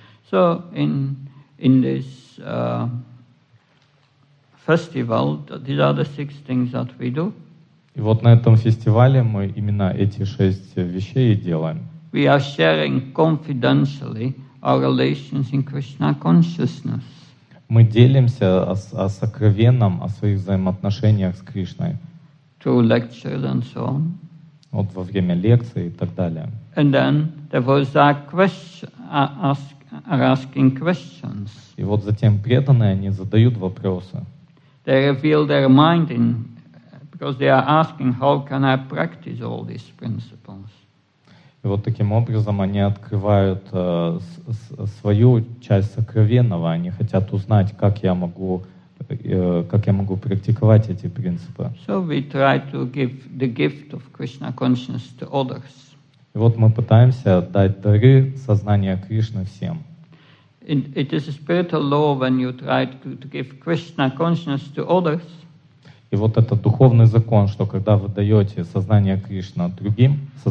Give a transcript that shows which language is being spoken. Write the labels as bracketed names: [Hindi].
[English] So in this festival, these are the six things that we do. [Russian] И вот на этом фестивале мы именно эти шесть вещей и делаем. [English] We are sharing confidentially our relations in Krishna consciousness. [Russian] Мы делимся о сокровенном, о своих взаимоотношениях с Кришной. [English] Through lectures and so on. [Russian] Вот во время лекций и так далее. [English] And then devotees are asking questions. [Russian] И вот затем преданные, они задают вопросы. [English] They reveal their mind in because they are asking, how can I practice all these principles? [Russian] И вот таким образом они открывают свою часть сокровенного. Они хотят узнать, как я могу практиковать эти принципы. [English] So we try to give the gift of Krishna consciousness to others. [Russian] И вот мы пытаемся дать дары сознания Кришны всем. [English] It is a spiritual law when you try to give Krishna consciousness to others. [Russian] И вот это духовный закон, что когда вы даете сознание Кришны другим,